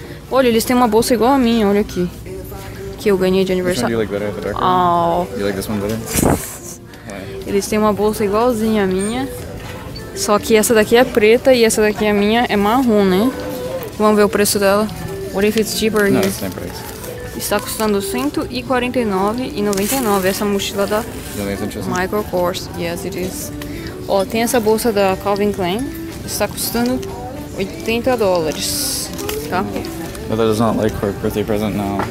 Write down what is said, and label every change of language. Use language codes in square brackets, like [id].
[pt] Olha, eles têm uma bolsa igual a minha, olha aqui. Que eu ganhei de aniversário. [en] Do you like better, the darker one? Oh. Do you like this one better? [pt] Eles têm uma bolsa igualzinha a minha. Só que essa daqui é preta e essa daqui a minha é marrom, né? Vamos ver o preço dela. [en] What if it's cheaper? No, it's same price. [pt] Está custando $149.99 essa mochila da Michael Kors. [en] Yes, it is. [pt] Ó, tem essa bolsa da Calvin Klein. Está custando $80, tá? [en] Mother does not like her birthday present now.